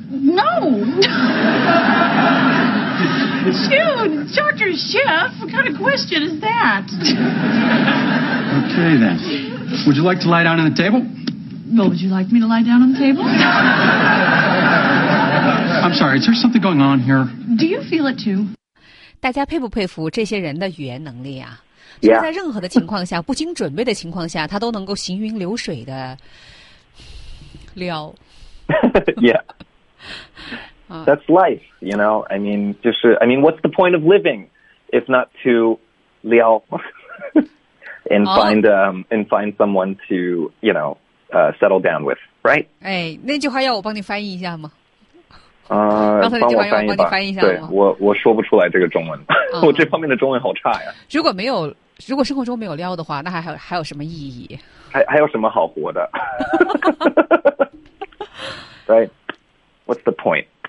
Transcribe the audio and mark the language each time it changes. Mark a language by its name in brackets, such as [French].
[English] No! Dude, Dr. Schiff, what kind of question is that? Okay, then. Would you like to lie down on the table? Well, would you like me to lie down on the table? I'm sorry, is there something going on here? Do you feel it too? [Chinese] 大家佩不佩服这些人的语言能力啊？就是在任何的情况下，不经准备的情况下，他都能够行云流水的撩。 [English] Yeah, that's life. You know, I mean, [Chinese] 就是 [English] I mean, what's the point of living if not to 撩 and find、and find someone to you know settle down with, right? [Chinese] 哎，那句话要我帮你翻译一下吗？帮我翻译吧。对，我说不出来这个中文，我这方面的中文好差呀。如果没有，如果生活中没有撩的话，那还有什么意义？还有什么好活的？ [English] Right, what's the point?